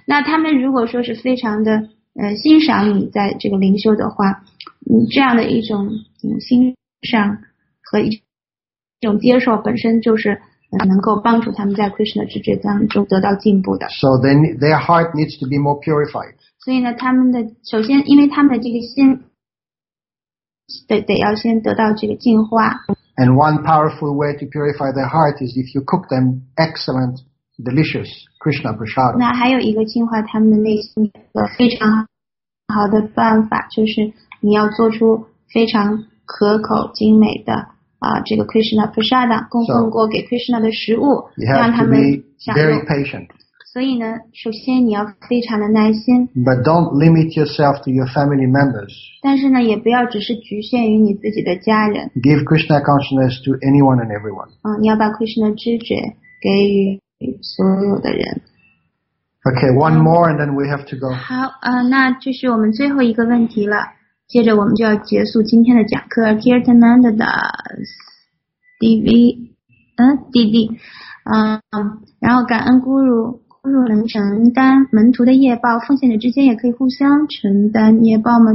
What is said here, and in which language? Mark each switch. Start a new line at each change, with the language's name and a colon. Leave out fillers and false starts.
Chinese: 那他们如果说是非常的欣赏你在这个灵修的话，这样的一种欣赏和一种接受本身就是能够帮助他们在 Krishna 知觉当中得到进步的。
English: So then their heart needs to be more purified.
Chinese: 所以呢，他们的首先因为他们的这个心得要先得到这个净化。
English: And one powerful way to purify their heart is if you cook them excellent. Delicious Krishna Prasadam.
Chinese: 那还有一个净化他们的内心一个非常好的办法，就是你要做出非常可口精美的这个 Krishna Prasadam 供奉过给 Krishna 的食物，让他们享用。所以呢，首先你要非常的耐心。
English: But don't limit yourself to your family members.
Chinese: 但是呢，也不要只是局限于你自己的家人。
English: Give Krishna consciousness to anyone and everyone.
Chinese: 你要把 Krishna 知觉给予。
English: Okay, one more and then we have to go.
Chinese: 好，那就是我们最后一个问题了。接着我们就要结束今天的讲课。 Kirtananda Das, DD, 然后感恩Guru能承担门徒的业报，奉献者之间也可以互相承担业报吗？